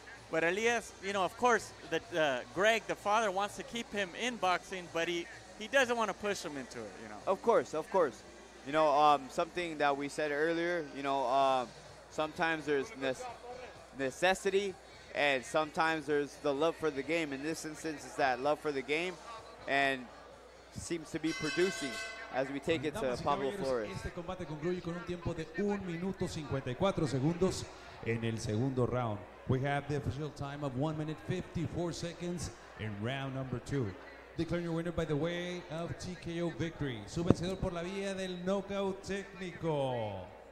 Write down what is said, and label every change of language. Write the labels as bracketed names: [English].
[English] But Elias, you know, of course, Greg, the father, wants to keep him in boxing, but he doesn't want to push him into it, you know. Of course. You know, something that we said earlier, you know, sometimes there's necessity and sometimes there's the love for the game. In this instance, it's that love for the game. And seems to be producing as we take it to Pablo Flores. [Spanish] Este combate concluye con un tiempo de 1 minuto 54 segundos en el segundo round. [English] We have the official time of 1 minute 54 seconds in round number 2. Declaring your winner by the way of TKO victory. [Spanish] Su vencedor por la vía del knockout técnico.